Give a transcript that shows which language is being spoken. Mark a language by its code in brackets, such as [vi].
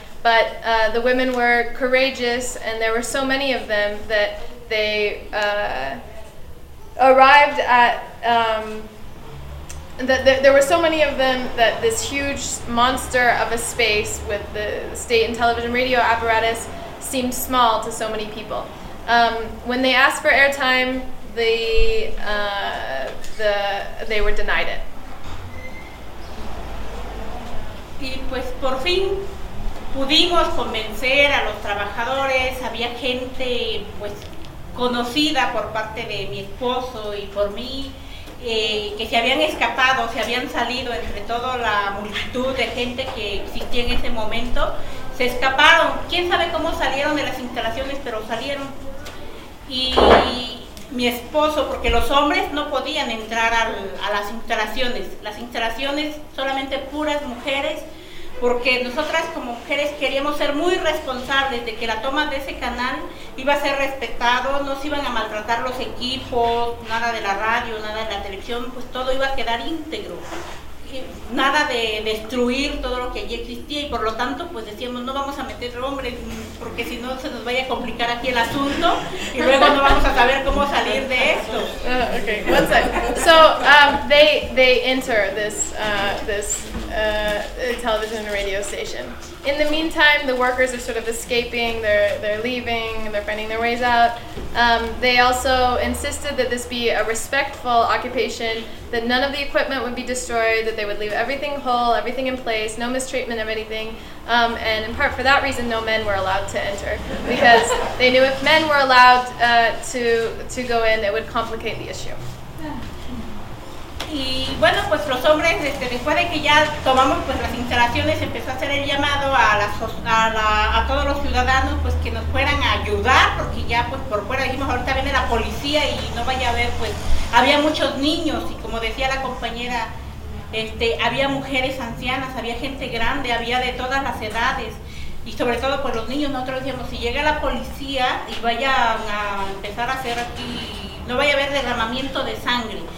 [en] But the women were courageous, and there were so many of them that they arrived at, there were so many of them that this huge monster of a space with the state and television radio apparatus seemed small to so many people. When they asked for airtime, they were denied it. [es] Y pues por fin pudimos convencer a los trabajadores. Había gente pues conocida por parte de mi esposo y por mí que se habían escapado, se habían salido entre toda la multitud de gente que existía en ese momento. Se escaparon. Quién sabe cómo salieron de las instalaciones, pero salieron. Y mi esposo, porque los hombres no podían entrar a las instalaciones. Las instalaciones solamente puras mujeres, porque nosotras como mujeres queríamos ser muy responsables de que la toma de ese canal iba a ser respetado, no se iban a maltratar los equipos, nada de la radio, nada de la televisión, pues todo iba a quedar íntegro. Nada de destruir todo lo que allí existía y por lo tanto pues decíamos no vamos a meter hombres porque si no se nos vaya a complicar aquí el asunto y luego no vamos a saber cómo salir de esto. [en] Okay, one second. So they enter this television and radio station. In the meantime, the workers are sort of escaping, they're leaving, they're finding their ways out. They also insisted that this be a respectful occupation, that none of the equipment would be destroyed, that they would leave everything whole, everything in place, no mistreatment of anything. And in part for that reason, no men were allowed to enter, because they knew if men were allowed to go in, it would complicate the issue. [es] Y bueno, pues los hombres, después de que ya tomamos pues las instalaciones, empezó a hacer el llamado a todos los ciudadanos pues que nos fueran a ayudar, porque ya pues por fuera dijimos, ahorita viene la policía y no vaya a haber, pues había muchos niños y como decía la compañera, había mujeres ancianas, había gente grande, había de todas las edades y sobre todo pues los niños, nosotros decíamos, si llega la policía y vayan a empezar a hacer aquí, no vaya a haber derramamiento de sangre.